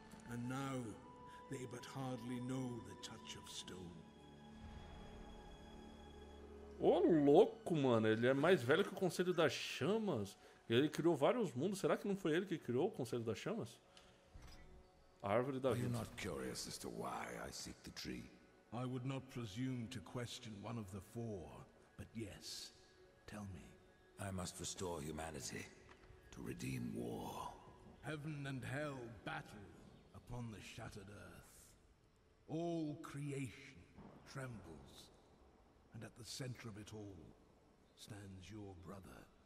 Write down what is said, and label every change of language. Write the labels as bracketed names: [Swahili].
[English] And now they but hardly know the touch of stone. [Portuguese] Ô, louco, mano, ele é mais velho que o Conselho das Chamas. Ele criou vários mundos. Será que não foi ele que criou o Conselho das Chamas? A Árvore da Vida. [English] You're not curious as to why I seek the tree. I would not presume to question one of the four, but yes. Tell me. I must restore humanity to redeem war. Heaven and hell battle. Upon the shattered earth, all creation trembles, and at the center of it all stands your brother.